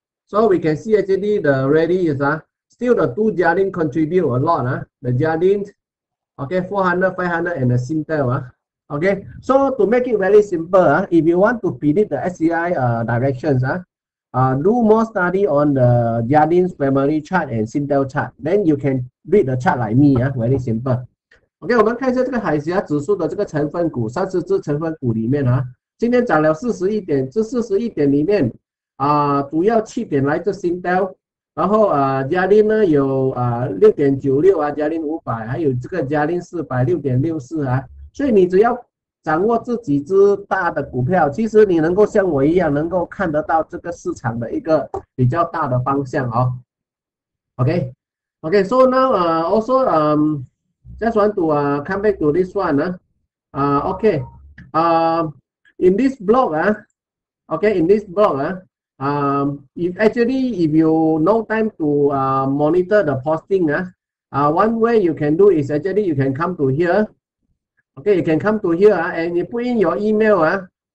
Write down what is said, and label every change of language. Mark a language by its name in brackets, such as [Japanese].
[English] So we can see actually the rally is. Still the two Jardin contribute a lot, the Jardin, okay, 400, 500, and the Singtel, okay. So to make it very simple, if you want to predict the SCI directions, do more study on the Jardin's primary chart and Singtel chart, then you can read the chart like me, very simple. [Chinese] Okay, 我们看一下这个海峡指数的这个成分股, 30只成分股里面, 今天涨了41点, 这41点里面, 主要7点来自 Singtel, 然后嘉麟呢有6.96，嘉麟500，还有这个嘉麟400，6.64，所以你只要掌握这几只大的股票，其实你能够像我一样能够看得到这个市场的一个比较大的方向。OK，OK，okay? [English] Okay, so now also just want to come back to this one in this blog if you no time to monitor the posting one way you can do is actually you can come to here, okay, you can come to here and you put in your email